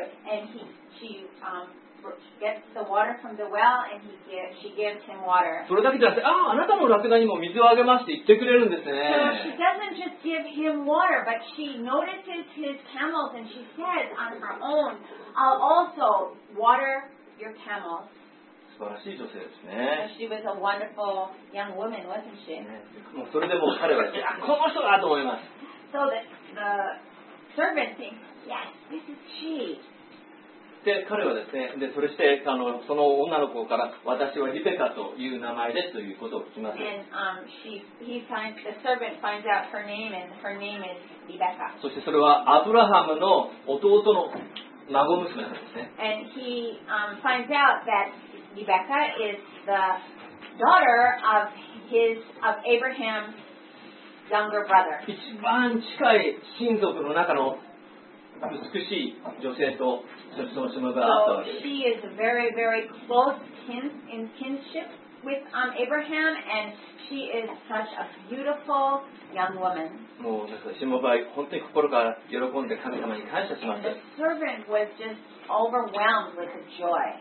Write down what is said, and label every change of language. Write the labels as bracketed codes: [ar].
[en] And she gets the water from the well, and she gives him water. [ja] それだけじゃなくて、ああ、あなたのラクダにも水をあげますって言ってくれるんですね。 [en] So she doesn't just give him water, but she notices his camels, and she says on her own, I'll also water your camels. [ja] 素晴らしい女性ですね。 [en] She was a wonderful young woman, wasn't she? [ja] もうそれでも彼は、いや、この人だと思います。 [en] So the servant thinks, yes, this is she. [ja] で、彼はですね、でそれしてその女の子から、私はリベカという名前ですということを聞きます。 [en] And the servant finds out her name, and her name is Rebecca. [ja] そしてそれはアブラハムの弟の孫娘なんですね。 [en] And he finds out thatRebecca is the daughter of Abraham's younger brother. [ja] 一番近い親族の中の美しい女性と出産しました。 [en] So she is very, very close in kinship with Abraham, and she is such a beautiful young woman. [ja] もうなんかしもばい本当に心から喜んで神様に感謝します。 [en] The servant was just overwhelmed with joy.